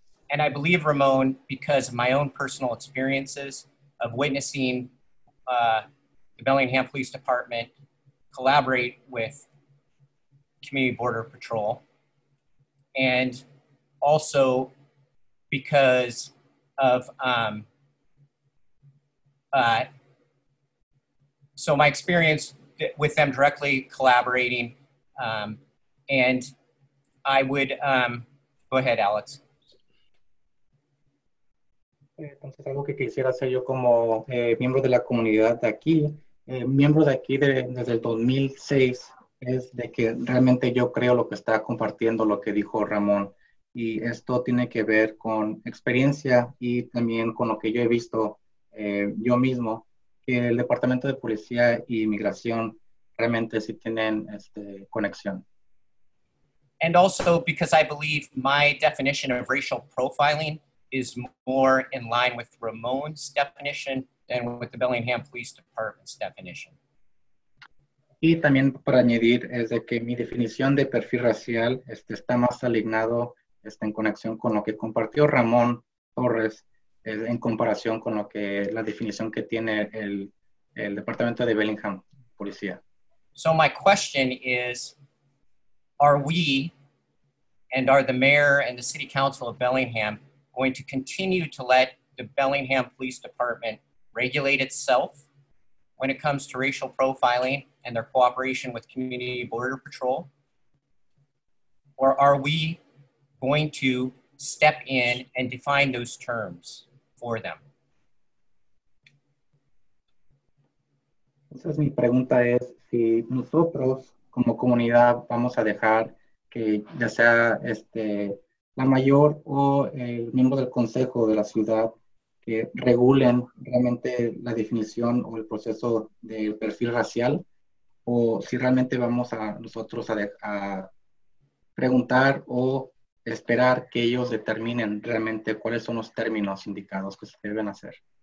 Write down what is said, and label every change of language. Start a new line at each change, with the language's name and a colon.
English: And I believe Ramon because of my own personal experiences of witnessing the Bellingham Police Department collaborate with Community Border Patrol, and also because of, so my experience with them directly collaborating, and I would, go ahead, Alex.
Spanish: Entonces, algo que quisiera hacer yo como miembro de la comunidad de aquí, miembro de aquí desde el 2006, es de que realmente yo creo lo que está compartiendo lo que dijo Ramón. Y esto tiene que ver con experiencia y también con lo que yo he visto yo mismo, que el Departamento de Policía y Inmigración realmente sí tienen conexión.
English: And also because I believe my definition of racial profiling is more in line with Ramon's definition than with the Bellingham Police Department's definition.
Spanish: Y también para añadir es de que mi definición de perfil racial está más alineado en conexión con lo que compartió Ramón Torres en comparación con lo que la definición que tiene el Departamento de Bellingham Policía.
English: So my question is, are we and are the mayor and the city council of Bellingham going to continue to let the Bellingham Police Department regulate itself when it comes to racial profiling and their cooperation with Community Border Patrol? Or are we going to step in and define those terms for them?
Spanish: Entonces mi pregunta es si nosotros como comunidad vamos a dejar que ya sea la mayor o el miembro del consejo de la ciudad que regulen realmente la definición o el proceso del perfil racial, o si realmente vamos a nosotros a preguntar o esperar que ellos determinen realmente cuáles son los términos indicados que se deben hacer.